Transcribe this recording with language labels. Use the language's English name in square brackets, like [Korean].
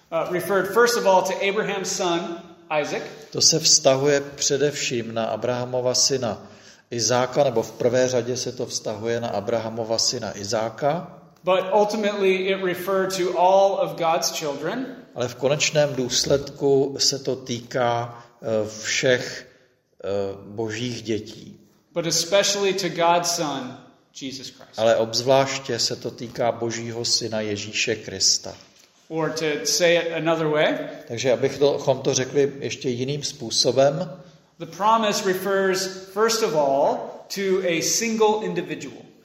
[English] Referred first of all to Abraham's son Isaac. [Czech] To se vztahuje především na Abrahamova syna Izáka, nebo v prvé řadě se to vztahuje na Abrahamova syna Izáka. [English] But ultimately it referred to all of God's children. [Czech] Ale v konečném důsledku se to týká všech božích dětí. [English] But especially to God's son, Jesus Christ. [Czech] Ale obzvláště se to týká božího syna Ježíše Krista. [English] Or to say it another way. [Czech] Takže abychom to řekli ještě jiným způsobem. [English] The promise refers first of all to a single individual.